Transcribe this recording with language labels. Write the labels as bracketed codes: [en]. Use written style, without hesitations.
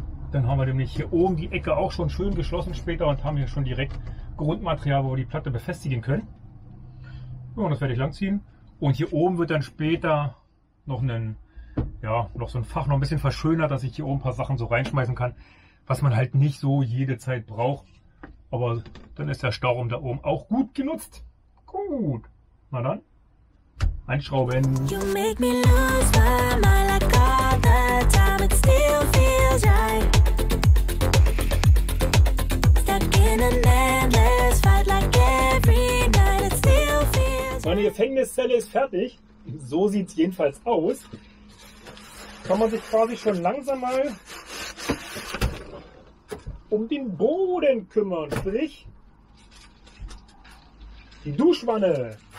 [de] Dann haben wir nämlich hier oben die Ecke auch schon schön geschlossen später und haben hier schon direkt Grundmaterial, wo wir die Platte befestigen können. Ja, das werde ich langziehen. Und hier oben wird dann später noch ein, ja, noch so ein Fach noch ein bisschen verschönert, dass ich hier oben ein paar Sachen so reinschmeißen kann, was man halt nicht so jede Zeit braucht. Aber dann ist der Stauraum da oben auch gut genutzt. Gut. Na dann. Einschrauben. [en] You make me lose my mind like all the time. It still feels right. Stuck in an endless fight like every night. It still feels. [de] Meine Gefängniszelle ist fertig. So sieht es jedenfalls aus. Kann man sich quasi schon langsam mal um den Boden kümmern. Sprich, die Duschwanne.